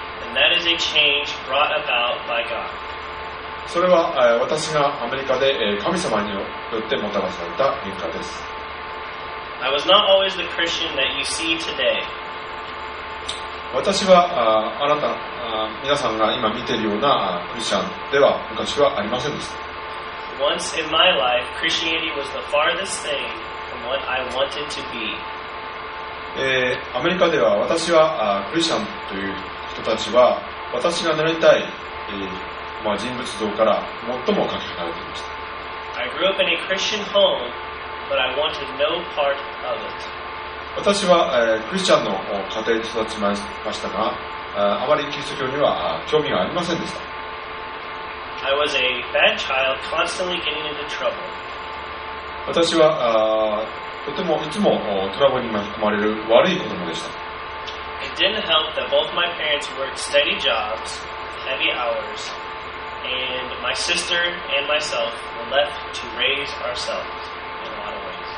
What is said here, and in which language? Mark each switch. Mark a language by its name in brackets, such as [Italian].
[English] And that is a change brought about by God. [Japanese] それは私がアメリカで神様によってもたらされた変化です。 [English] I was not always the Christian that you see today. [Japanese] 私はあなた皆さんが今見ているようなクリスチャンでは昔はありませんでした。 [English] Once in my life, Christianity was the farthest thing from what I wanted to be. [Japanese] アメリカでは私はクリスチャンという人たちは私がなりたい人物像から最もかけ離れていました。 [English] I grew up in a Christian home, but I wanted no part of it. [Japanese] 私は、クリスチャンの家庭に育ちましたが、あまりキリスト教には興味がありませんでした。 [English] I was a bad child, constantly getting into trouble. [Japanese] 私は、とてもいつもトラブルに巻き込まれる悪い子供でした。 [English] It didn't help that both my parents worked steady jobs, heavy hours, and my sister and myself were left to raise ourselves in a lot of ways.